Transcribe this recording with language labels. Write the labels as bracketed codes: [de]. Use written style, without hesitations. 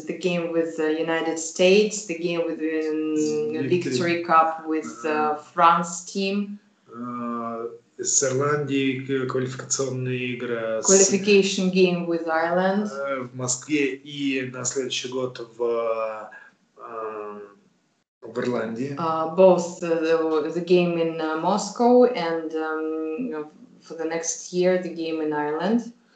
[en] The game with the United States, the game with the Victory Cup with France team. [ru] С Ирландией квалификационные игры. [en] Qualification game with Ireland. [ru] В Москве и на следующий год в Ирландии. [en] Both the game in Moscow and for the next year the game in Ireland.